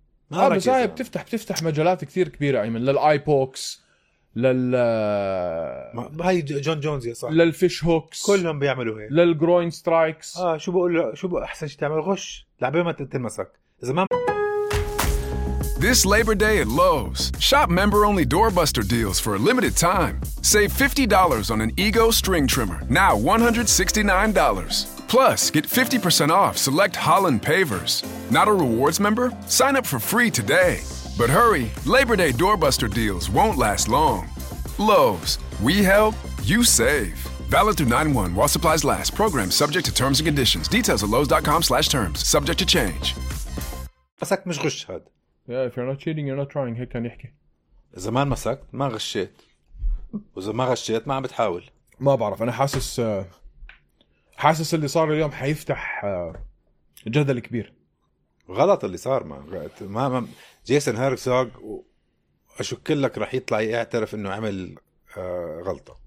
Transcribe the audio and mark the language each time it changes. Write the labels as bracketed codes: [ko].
[ar] ما بس هاي بتفتح مجالات كثير كبيرة أيمن للآيبوكس. لل هاي جون جونز يا صاح للفيش هوكس كلهم بيعملوا هيك للجروين سترايكس شو بقول شو بقول احسن شيء تعمل غش لعبه ما تتمسك اذا ما [en] This Labor Day at Lowe's shop member only doorbuster deals for a limited time save $50 on an Ego string trimmer now $169 plus get 50% off select Holland pavers not a rewards member sign up for free today But hurry, Labor Day doorbuster deals won't last long. Lowe's, we help, you save. Valid through 9-1 while supplies last. Program subject to terms and conditions. Details at lowes.com/terms. Subject to change. [ar] مسكت مش غش هاد. [en] Yeah, if you're not cheating, you're not trying. [ar] هيك كان يحكي. زمان مسكت ما غشيت. وإذا ما غشيت ما عم بتحاول. ما بعرف. أنا حاسس اللي صار اليوم حيفتح جدل كبير. غلط اللي صار ما جيسون هيرتسوغ واشكل لك راح يطلع يعترف انه عمل غلطه